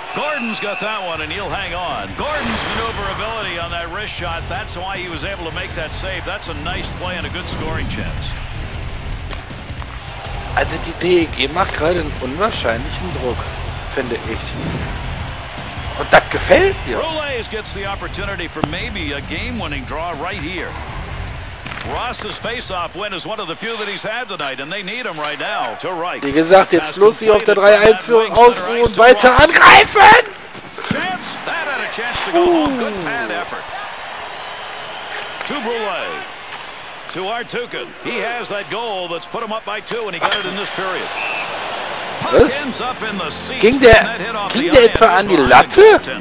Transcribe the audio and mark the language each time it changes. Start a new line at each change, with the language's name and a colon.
English: Gordon's got that one and he'll hang on. Gordon's maneuverability on that wrist shot, that's why he was able to make that save. That's a nice play and a good scoring chance.
German: Also die DEG macht gerade einen unwahrscheinlichen Druck, finde ich. Und das gefällt mir.
English: Roulet gets the opportunity for maybe a game-winning draw right here. Ross's face-off win is one of the few that he's had tonight, and they need him right now to right.
German: Wie gesagt, jetzt bloß hier auf der 3-1-Führung ausruhen und weiter angreifen!
English: Chance, that had a chance to go home. Good pad effort. To Roulet. To Artukin. He has that goal that's put him up by two, and he got it in this period.
German: Was? Ging der etwa an die Latte?